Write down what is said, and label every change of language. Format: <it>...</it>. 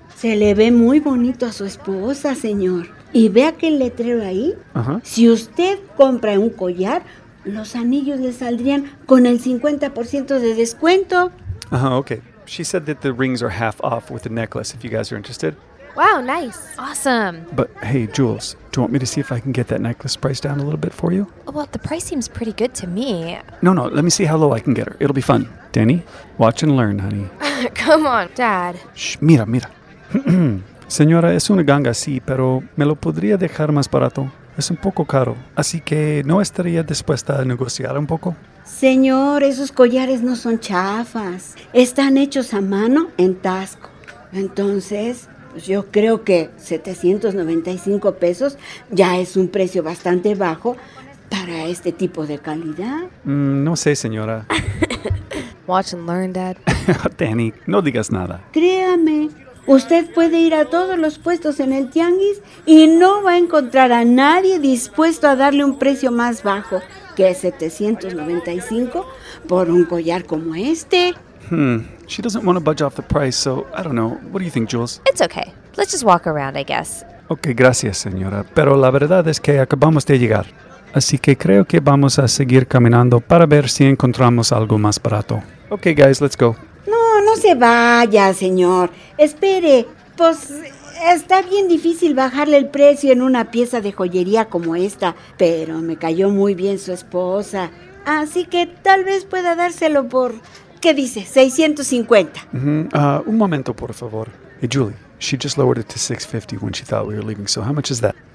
<es>Se le ve muy bonito a su esposa, señor. Y ve aquel letrero ahí. Si usted compra un collar, los anillos le saldrían con el 50% de descuento.</es> <en>Okay. She said that the rings are half off with the necklace, if you guys are interested. Wow, nice. Awesome. But hey, Jules, do you want me to see if I can get that necklace price down a little bit for you? Well, the price seems pretty good to me. No, let me see how low I can get her. It'll be fun. Danny, watch and learn, honey. Come on, Dad.</en> <es>Shh, mira. Señora, es una ganga, sí, pero me lo podría dejar más barato. Es un poco caro, así que no estaría dispuesta a negociar un poco. Señor, esos collares no son chafas. Están hechos a mano en Taxco. Entonces, pues yo creo que 795 pesos ya es un precio bastante bajo para este tipo de calidad. No sé, señora.</es> <en>Watch and learn, Dad.</en> <es>Danny, no digas nada. Créame. Usted puede ir a todos los puestos en el tianguis y no va a encontrar a nadie dispuesto a darle un precio más bajo que 795 por un collar como este.</es> <en>She doesn't want to budge off the price, so I don't know. What do you think, Jules? It's okay. Let's just walk around, I guess.</en> <es>Okay, gracias, señora. Pero la verdad es que acabamos de llegar. Así que creo que vamos a seguir caminando para ver si encontramos algo más barato.</es> <en>Okay, guys, let's go.</en> <es>No se vaya, señor. Espere, pues está bien difícil bajarle el precio en una pieza de joyería como esta, pero me cayó muy bien su esposa. Así que tal vez pueda dárselo por, ¿qué dice? 650. Un momento, por favor.</es> <en>Hey, Julie, she just lowered it to 650 when she thought we were leaving, so how much is that?</en>